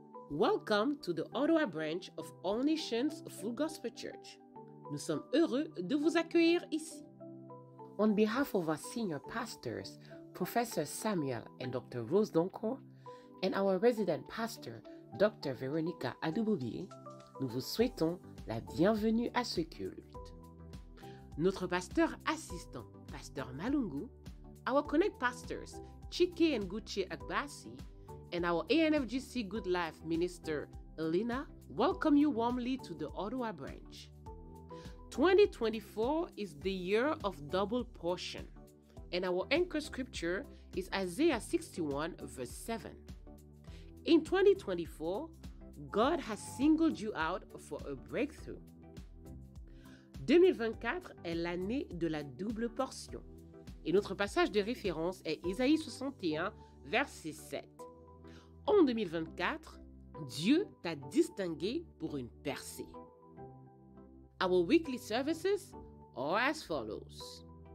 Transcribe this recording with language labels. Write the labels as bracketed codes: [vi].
[en] Welcome to the Ottawa branch of All Nations Full Gospel Church. [fr] Nous sommes heureux de vous accueillir ici. [en] On behalf of our senior pastors, Professor Samuel and Dr. Rose Donkor, and our resident pastor, Dr. [fr] Veronica Adubobier, nous vous souhaitons la bienvenue à ce culte. Notre pasteur assistant, Pasteur Malungu, [en] our connect pastors, Chike and Gucci Agbasi, and our ANFGC Good Life Minister, Elena, welcome you warmly to the Ottawa branch. 2024 is the year of double portion, and our anchor scripture is Isaiah 61, verse 7. In 2024, God has singled you out for a breakthrough. [fr] 2024 est l'année de la double portion, et notre passage de référence est Isaïe 61, verset 7. En 2024, Dieu t'a distingué pour une percée. [en] Our weekly services are as follows.